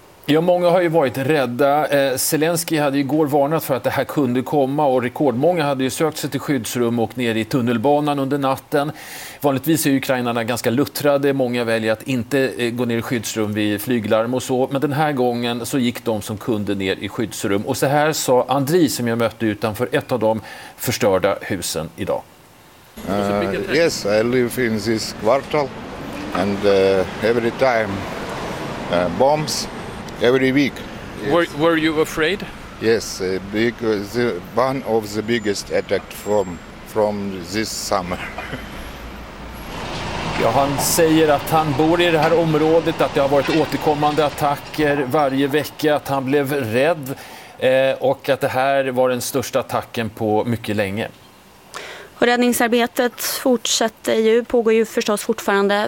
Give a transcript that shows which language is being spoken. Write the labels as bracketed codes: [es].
[sv] Ja, många har ju varit rädda. Zelensky hade igår varnat för att det här kunde komma, och rekordmånga hade ju sökt sig till skyddsrum och ner i tunnelbanan under natten. Vanligtvis är ju ukrainarna ganska luttrade. Många väljer att inte gå ner i skyddsrum vid flyglarm och så, men den här gången så gick de som kunde ner i skyddsrum. Och så här sa Andri, som jag mötte utanför ett av de förstörda husen idag. [en] Yes, I live in this quartal and every time bombs. Every week. Yes. Were you afraid? Yes, because the one of the biggest attacks from this summer. [sv] Ja, han säger att han bor i det här området, att det har varit återkommande attacker varje vecka, att han blev rädd och att det här var den största attacken på mycket länge. Och räddningsarbetet fortsätter ju, pågår ju förstås fortfarande.